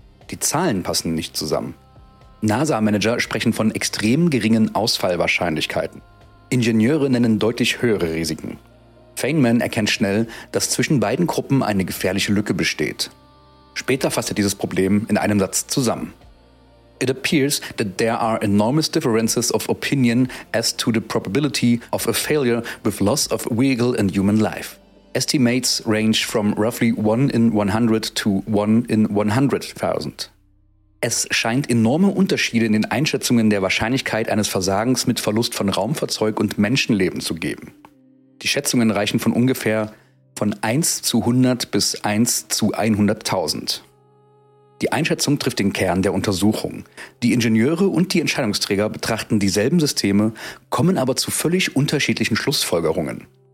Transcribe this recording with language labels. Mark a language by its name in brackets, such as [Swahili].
[German] Die Zahlen passen nicht zusammen. NASA-Manager sprechen von extrem geringen Ausfallwahrscheinlichkeiten. Ingenieure nennen deutlich höhere Risiken. Feynman erkennt schnell, dass zwischen beiden Gruppen eine gefährliche Lücke besteht. Später fasst er dieses Problem in einem Satz zusammen. [English] It appears that there are enormous differences of opinion as to the probability of a failure with loss of vehicle and human life. Estimates range from roughly 1 in 100 to 1 in 100,000. [German] Es scheint enorme Unterschiede in den Einschätzungen der Wahrscheinlichkeit eines Versagens mit Verlust von Raumfahrzeug und Menschenleben zu geben. Die Schätzungen reichen von ungefähr von 1 zu 100 bis 1 zu 100.000. Die Einschätzung trifft den Kern der Untersuchung. Die Ingenieure und die Entscheidungsträger betrachten dieselben Systeme, kommen aber zu völlig unterschiedlichen Schlussfolgerungen.